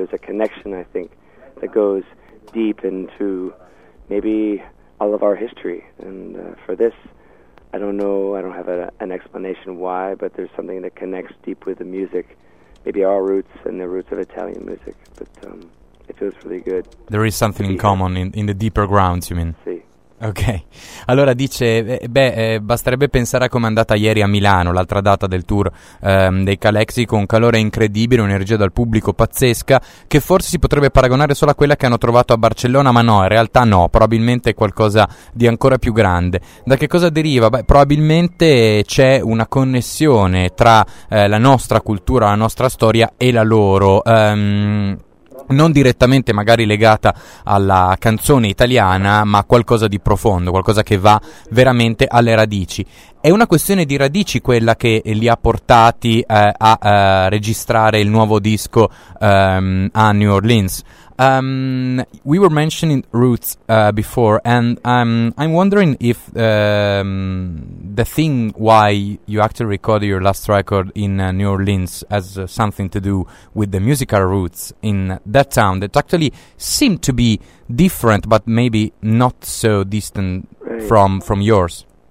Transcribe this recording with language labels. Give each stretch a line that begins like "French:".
English: There's a connection, I think, that goes deep into maybe all of our history, and for this, I don't know, I don't have an explanation why, but there's something that connects deep with the music, maybe our roots and the roots of Italian music, but it feels really good. There is something in common in the deeper grounds, you mean?
Italian: Sì. Ok, allora dice, basterebbe pensare a come è andata ieri a Milano, l'altra data del tour dei Calexico, un calore incredibile, un'energia dal pubblico pazzesca, che forse si potrebbe paragonare solo a quella che hanno trovato a Barcellona, ma no, in realtà no, probabilmente è qualcosa di ancora più grande. Da che cosa deriva? Beh, probabilmente c'è una connessione tra la nostra cultura, la nostra storia e la loro. Non direttamente magari legata alla canzone italiana, ma qualcosa di profondo, qualcosa che va veramente alle radici. È una questione di radici quella che li ha portati a registrare il nuovo disco a New Orleans.
English: We were mentioning roots before, and I'm wondering if the thing why you actually recorded your last record in New Orleans has something to do with the musical roots in that town that actually seemed to be different, but maybe not so distant from yours.